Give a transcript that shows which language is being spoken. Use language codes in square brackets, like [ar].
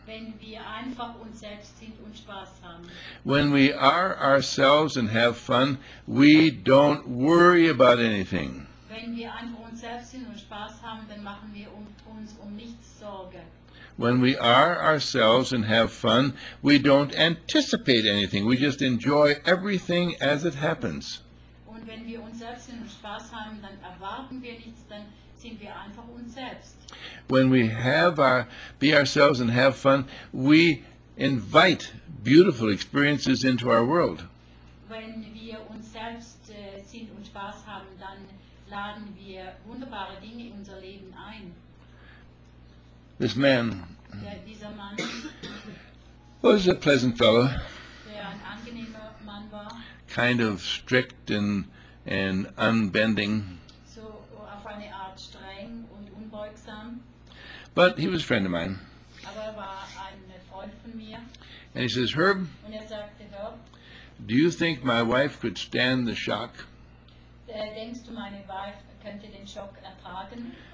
[de] Wenn wir einfach uns selbst sind und Spaß haben. [en] When we are ourselves and have fun, we don't worry about anything. [de] Wenn wenn wir einfach uns selbst sind und Spaß haben, dann machen wir uns um nichts Sorge. [en] When we are ourselves and have fun, we don't anticipate anything. We just enjoy everything as it happens. [de] Und wenn wir uns selbst sind und Spaß haben, dann erwarten wir nichts, dann sind wir einfach uns selbst. [en] When we be ourselves and have fun, we invite beautiful experiences into our world. [de] Wenn wir uns selbst sind und Spaß haben, dann laden wir wunderbare Dinge in unser Leben ein. [en] This man, [de] dieser Mann, [en] was a pleasant fellow. [de] Der ein angenehmer Mann war. [en] Kind of strict and unbending. [de] So auf eine Art streng und unbeugsam. [en] But he was a friend of mine. [de] Aber war ein Freund von mir. [en] And he says, Herb, [de] und sagte, Herb, [en] do you think my wife could stand the shock? [de] Denkst du, meine Wife könnte den Schock ertragen?